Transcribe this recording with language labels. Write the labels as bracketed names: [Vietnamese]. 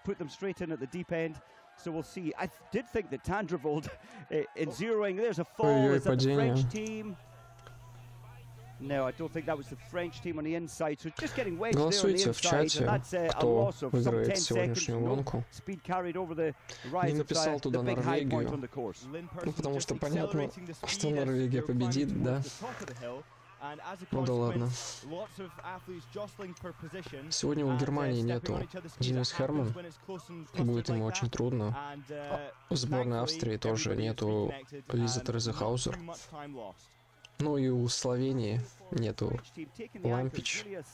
[English] Put them straight in at the deep end. So we'll see. I did think that Tandrevold in zeroing, there's a fall. Is that the French team? No, I don't think that was the French team on the inside. So just getting wedged there on the inside. [Russian] Чате, [English] and that's a loss of some 10 seconds. [Russian] Гонку, [English] speed carried over the rise of the big high point on the course. [Russian] Ну, потому что понятно, что Норвегия победит, да? [English] And as a consequence, lots of athletes jostling for position. [Russian] Сегодня у Германии нету Денис Херман, и будет ему очень трудно. В сборной Австрии тоже нету Лизы Терезехаузер. Ну и у Словении нету Лампич.